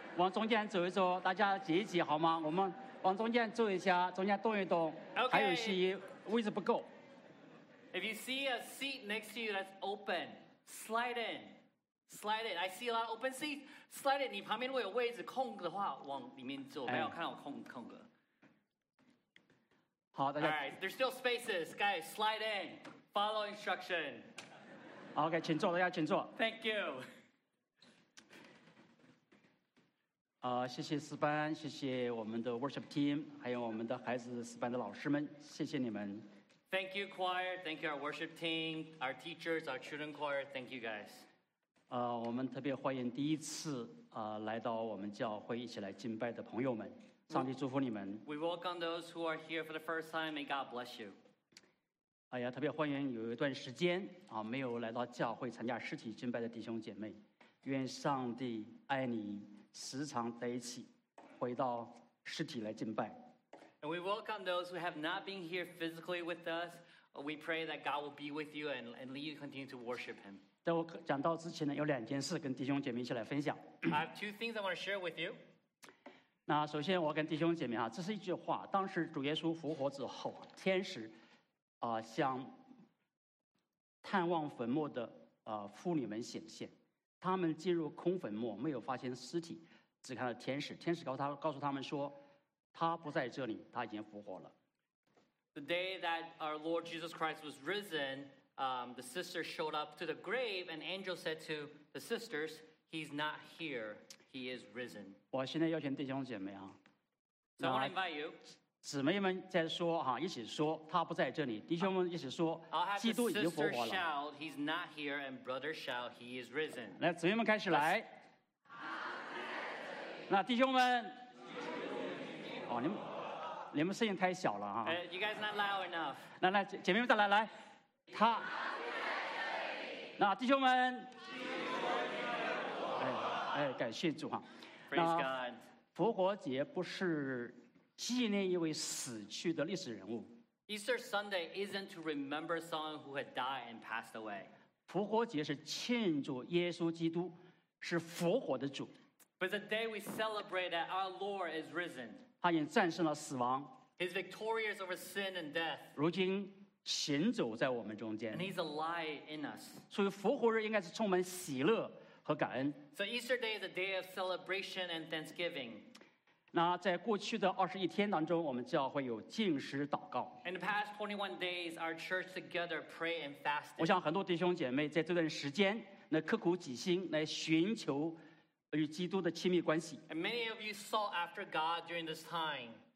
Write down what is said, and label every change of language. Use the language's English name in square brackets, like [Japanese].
[Chinese] 往中间走一走，大家挤一挤好吗？我们往中间坐一下，中间动一动。 [English] Okay。 [Chinese] 还有席位置不够。 [English] If you see a seat next to you that's open, slide in. Slide it. I see a lot of open seats. Slide it. [Chinese] 你旁边如果有位置空的话，往里面坐。没有看到空格。好，大家。 [English] All right. There's still spaces, guys. Slide in. Follow instruction. [Chinese] Okay, 请坐，大家请坐。 [English] Thank you. [Chinese] 啊，谢谢四班，谢谢我们的 [English] worship team， [Chinese] 还有我们的孩子四班的老师们，谢谢你们。 [English] Thank you, choir. Thank you, our worship team, our teachers, our children choir. Thank you, guys. [Chinese] 我们特别欢迎第一次来到我们教会一起来敬拜的朋友们，上帝祝福你们。 [English] We welcome those who are here for the first time. May God bless you. [Chinese] 哎呀，特别欢迎有一段时间没有来到教会参加实体敬拜的弟兄姐妹，愿上帝爱你，时常在一起，回到实体来敬拜。 [English] And we welcome those who have not been here physically with us. We pray that God will be with you and lead you continue to worship Him. [Chinese] 在我讲到之前呢，有两件事跟弟兄姐妹一起来分享。 [English] I have two things I want to share with you。 [Chinese] 那首先我跟弟兄姐妹这是一句话，当时主耶稣复活之后，天使向探望坟墓的妇女们显现，他们进入空坟墓，没有发现尸体，只看到天使。天使告诉他们说，他不在这里，他已经复活了。 [English] The day that our Lord Jesus Christ was risen. The sister showed up to the grave, and angel said to the sisters, "He's not here. He is risen." [Chinese] 我现在邀请弟兄姐妹 [English] So I want to invite you. [Chinese] 姊妹们在说一起说，他不在这里。弟兄们一起说，基督已经复活了。 [English] I'll have the sister shout, "He's not here," and brother shout, "He is risen." [Chinese] 来，姊妹们开始来。那弟兄们，你们声音太小了 [English] You guys not loud enough. [Chinese] 来，姐妹们再来。他那弟兄们感谢主那复活节不是纪念一位死去的历史人物 [English] Easter Sunday isn't to remember someone who had died and passed away [Chinese] 复活节是庆祝耶稣基督是复活的主 [English] But the day we celebrate that our Lord is risen [Chinese] 他已经战胜了死亡 [English] He's victorious over sin and death [Chinese] 如今行走在我们中间 [English] And he's alive in us. [Chinese] 所以复活日应该是充满喜乐和感恩 [English] So Easter day is a day of celebration and thanksgiving [Chinese] 那在过去的二十一天当中我们教会有禁食祷告 [English] In the past 21 days our church together pray and fasted [Chinese] 我想很多弟兄姐妹在这段时间来刻苦己心来寻求与基督的亲密关系 [English] And many of you sought after God during this time